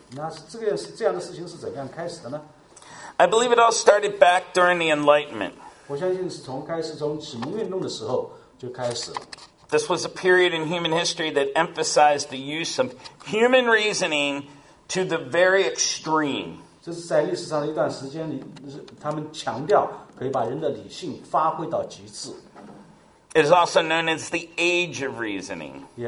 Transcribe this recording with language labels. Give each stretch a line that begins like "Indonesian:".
Chinese: 那这样的事情是怎样开始的呢？
English: I believe it all started back during the Enlightenment.
Chinese: 我相信是从启蒙运动的时候就开始了。
English: This was a period in human history that emphasized the use of human reasoning to the very extreme.
Chinese: 这是在历史上的一段时间里，他们强调可以把人的理性发挥到极致。
English: It is also known as the age of reasoning.